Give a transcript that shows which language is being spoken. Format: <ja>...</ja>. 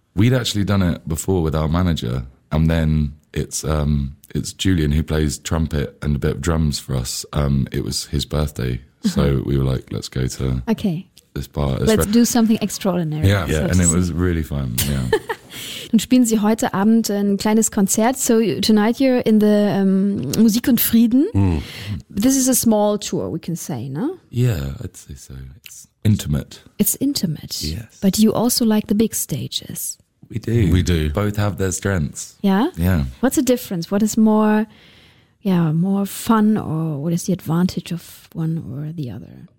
<en>We'd actually done it before with our manager, and then it's Julian, who plays trumpet and a bit of drums for us. It was his birthday, so we were like, let's go to this bar. Let's do something extraordinary. Yeah, so and it was really fun, yeah.</en> <de>Dann spielen sie heute Abend ein kleines Konzert.</de> <en>So tonight you're in the Musik und Frieden. Mm. This is a small tour, we can say, no? Yeah, I'd say so. It's intimate. It's intimate. Yes. But you also like the big stages. We do. We do. Both have their strengths. Yeah? Yeah. What's the difference? What is more fun, or what is the advantage of one or the other?</en>